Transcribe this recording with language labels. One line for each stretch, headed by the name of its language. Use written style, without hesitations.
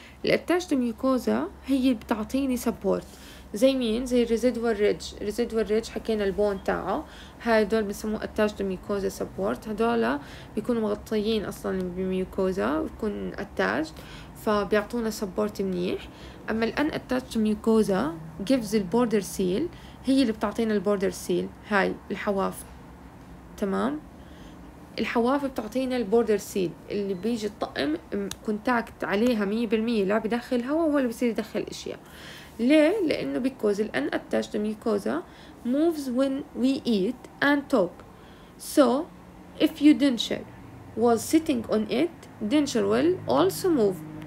Arabic: attached mucosa هي بتعطيني support زي مين؟ زي residual ridge. residual ridge حكينا البون تاعه، هدول بسموه attached mucosa support، هدول بيكونوا مغطيين اصلا بميوكوزا بيكون attached فبيعطونا support منيح. أما الـ
English: unattached mucosa gives the border seal،
Arabic: هي اللي بتعطينا
English: border seal،
Arabic: هاي الحواف. تمام، الحواف بتعطينا border seal اللي بيجي الطقم كونتاكت عليها 100% لا بيدخل هواء ولا بيصير يدخل اشياء. ليه؟ لانه
English: because the unattached mucosa moves when we eat and talk، so if you denture was sitting on it denture will also move.